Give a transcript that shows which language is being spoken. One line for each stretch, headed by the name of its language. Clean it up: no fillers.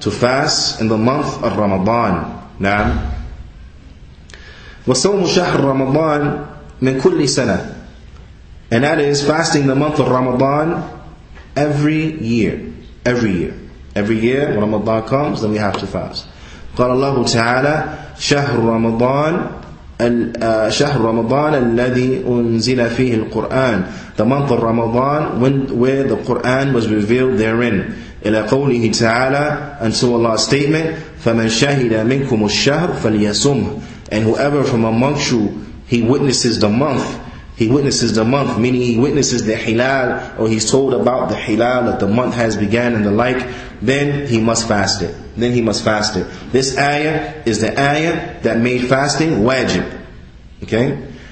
English: To fast in the month of Ramadan. Naam.
Arabic: وَصَوْمُ شَهْرُ رَمَضَانَ مِنْ كُلِّ سَنَةٍ.
English: And that is fasting the month of Ramadan every year. Every year. Every year when Ramadan comes, then we have to fast.
Arabic: قال الله تعالى شهر رمضان الذي أنزل فيه القرآن.
English: The month of Ramadan, where the Quran was revealed therein.
Arabic: إلى قوله تعالى,
English: until Allah's statement,
Arabic: فمن شهد منكم الشهر فليصم.
English: And whoever from amongst you, he witnesses the month, meaning he witnesses the hilal, or he's told about the hilal, that the month has begun and the like, then he must fast it. This ayah is the ayah that made fasting wajib. Okay?